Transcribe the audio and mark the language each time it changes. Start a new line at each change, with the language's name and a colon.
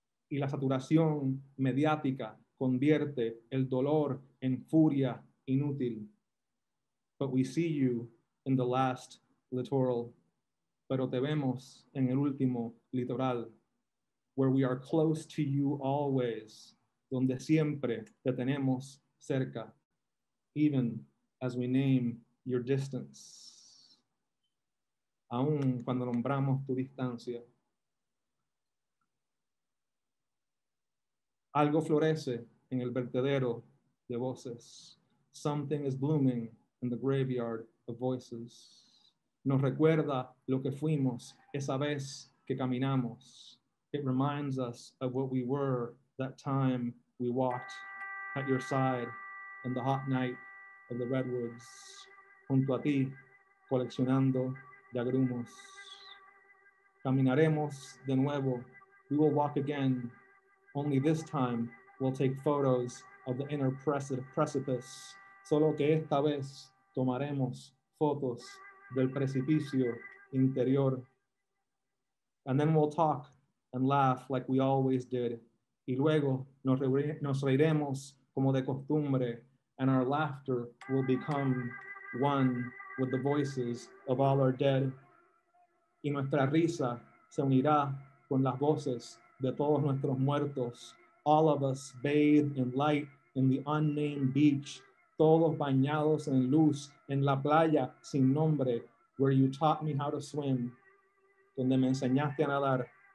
Spanish: Y la saturación mediática convierte el dolor en furia inútil.
English: But we see you in the last littoral.
Spanish: Pero te vemos en el último litoral.
English: Where we are close to you always.
Spanish: Donde siempre te tenemos cerca.
English: Even as we name your distance.
Spanish: Aún cuando nombramos tu distancia. Algo florece en el vertedero de voces.
English: Something is blooming in the graveyard of voices.
Spanish: Nos recuerda lo que fuimos esa vez que caminamos.
English: It reminds us of what we were that time we walked at your side in the hot night of the redwoods,
Spanish: junto a ti, coleccionando de agrumos. Caminaremos de nuevo.
English: We will walk again. Only this time we'll take photos of the inner precipice.
Spanish: Solo que esta vez tomaremos fotos del precipicio interior.
English: And then we'll talk and laugh like we always did.
Spanish: Y luego nos reiremos como de costumbre,
English: and our laughter will become one with the voices of all our dead.
Spanish: Y nuestra risa se unirá con las voces de todos nuestros muertos,
English: all of us bathed in light in the unnamed beach,
Spanish: todos bañados en luz en la playa sin nombre,
English: where you taught me how to swim,
Spanish: donde me enseñaste a nadar.